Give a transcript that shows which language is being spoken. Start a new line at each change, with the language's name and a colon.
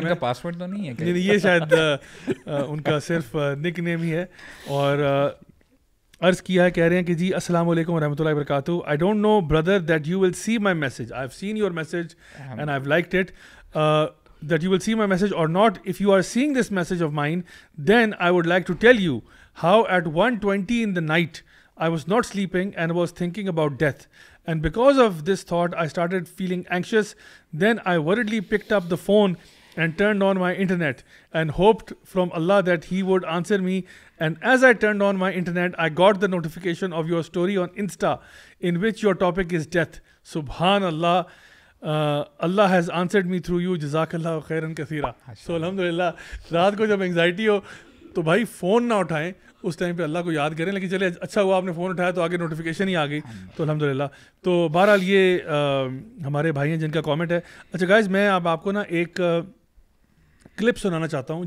Hindi: इनका पासवर्ड तो नहीं है, नहीं ये शायद उनका सिर्फ निक नेम ही है। और अर्ज किया है, कह रहे हैं कि जी
English: अस्सलाम वालेकुम रहमतुल्लाहि व बरकातहू, I don't know brother that you will see my message, I have seen your message and I have liked it that you will see my message or not. If you are seeing this message of mine then I would like to tell you how at 1:20 in the night I was not sleeping and was thinking about death, and because of this thought I started feeling anxious. Then I worriedly picked up the phone and turned on my internet and hoped from Allah that he would answer me. And as I turned on my internet I got the notification of your story on Insta in which your topic is death. Subhanallah, Allah has answered me through you, जज़ाकअल्लाह खैरन कसीरा।
Hindi: सो अल्हम्दुलिल्लाह, रात को जब anxiety हो तो भाई phone ना उठाएं उस टाइम पे, अल्लाह को याद करें। लेकिन चले अच्छा हुआ आपने फ़ोन उठाया तो आगे नोटिफिकेशन ही आ गई, तो अल्हम्दुलिल्लाह। तो बहरहाल ये हमारे भाई हैं जिनका कमेंट है। अच्छा गाइज, मैं अब आपको ना एक क्लिप सुनाना चाहता हूँ।